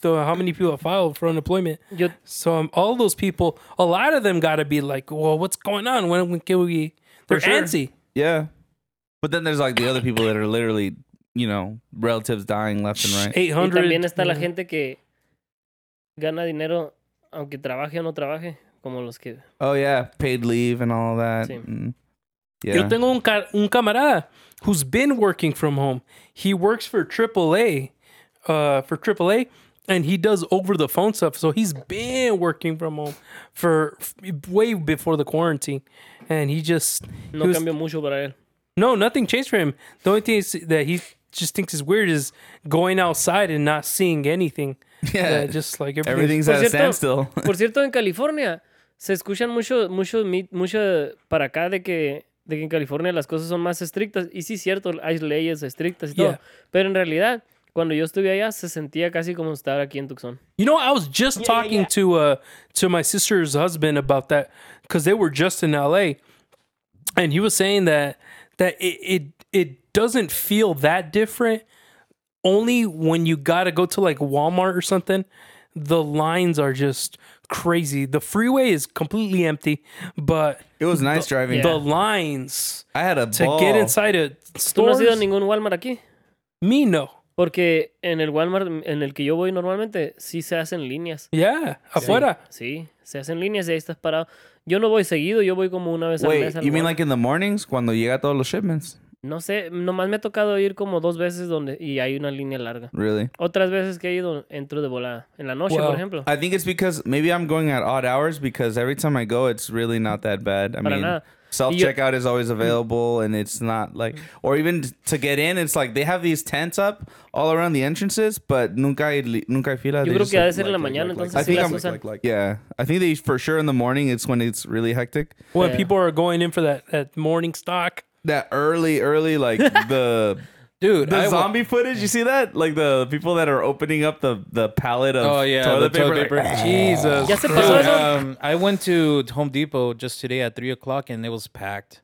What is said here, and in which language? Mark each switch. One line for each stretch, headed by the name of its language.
English: How many people have filed for unemployment? So all those people, a lot of them got to be like, well, what's going on? When can we? They're sure. Antsy. Yeah. But then there's like the other people that are literally, you know, relatives dying left and right. 800.
Spanish: Y también está la gente que... Gana dinero, aunque trabaje o no trabaje, como los que...
English: Oh, yeah. Paid leave and all that.
Spanish: Sí.
English: Yeah.
Spanish: Yo tengo un camarada
English: who's been working from home. He works for AAA, and he does over-the-phone stuff. So he's been working from home for way before the quarantine. And he just...
Spanish: No cambió mucho para él.
English: No, nothing changed for him. The only thing is that he just thinks is weird is going outside and not seeing anything. Yeah, just like everything's at a standstill.
Spanish: Por cierto, en California se escuchan mucho para acá de que en California las cosas son más estrictas. Y sí, cierto, hay leyes estrictas y todo. Pero en realidad, cuando yo estuve allá, se sentía casi como estar aquí en Tucson.
English: You know, I was just talking to my sister's husband about that, because they were just in L.A. And he was saying that it doesn't feel that different. Only when you gotta go to like Walmart or something, the lines are just crazy. The freeway is completely empty, but it was nice driving. Yeah. The lines. I had a to ball. Get inside a store.
Spanish: ¿Tú no has ido a ningún Walmart aquí? Me no. Porque en el Walmart en el que yo voy normalmente sí se hacen líneas.
English: Yeah, afuera.
Spanish: Sí, se hacen líneas y ahí estás parado. Yo no voy seguido, yo voy como una vez
English: Wait,
Spanish: al mes.
English: Wait, you mean like in the mornings
Spanish: cuando llega todos los
English: shipments?
Spanish: No sé, nomás me ha tocado ir como dos veces donde y hay una línea larga.
English: Really?
Spanish: Otras veces que he ido entro de volada en la noche, por ejemplo.
English: I think it's because maybe I'm going at odd hours because every time I go it's really not that bad. Self checkout is always available and it's not like or even to get in it's like they have these tents up all around the entrances but
Spanish: nunca hay fila. Yo creo que ha de ser en la mañana, entonces sí las usan.
English: Yeah. I think they for sure in the morning it's when it's really hectic. When yeah. people are going in for that morning stock. That early, like the dude, the zombie footage. You see that? Like the people that are opening up the pallet of toilet paper. Like, Jesus. I went to Home Depot just today at 3:00 and it was packed.